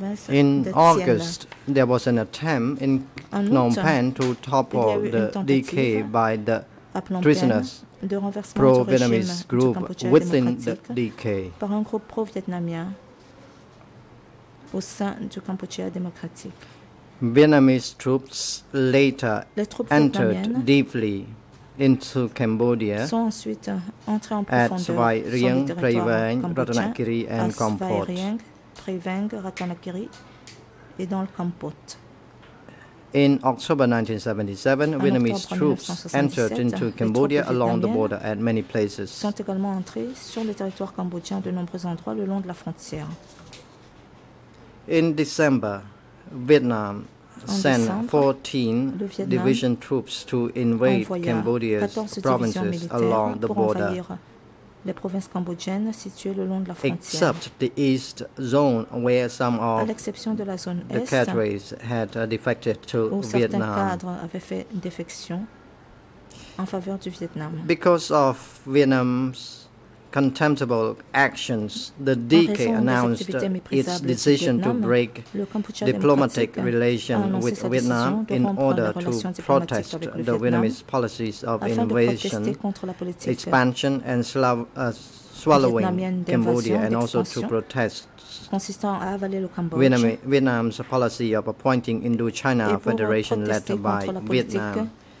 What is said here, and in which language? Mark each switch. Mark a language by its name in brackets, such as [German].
[English] In August, there was an attempt in Phnom Penh to topple the DK by the prisoners. Pro-Vietnamese group within the DK. [French] Par un groupe pro-vietnamien au sein du Cambodge démocratique. [English] Vietnamese troops later entered deeply into Cambodia. [French] Sont ensuite entrés en profondeur sur le territoire cambodgien. À Svay Rieng, Prayveng, Ratanakiri et dans le Kampot. [English] In October 1977, Vietnamese troops entered into Cambodia along the border at many places. [French] Sont également entrés sur le territoire cambodgien de nombreux endroits le long de la frontière. [English] In December, Vietnam sent 14 division troops to invade Cambodia's provinces along the border. [French] Les provinces cambodgiennes situées le long de la frontière. [English] Except the east zone where some of [French] de la zone [English] the cadres had defected to Vietnam. [French] Certains cadres avaient fait défection en faveur du Vietnam. [English] Because of Vietnam's contemptible actions, the DK announced its decision Vietnam, to break diplomatic relations with Vietnam in order to protest the Vietnamese policies of invasion, expansion and swallowing Cambodia, and also to protest Vietnam's policy of appointing Indochina Federation led by Vietnam.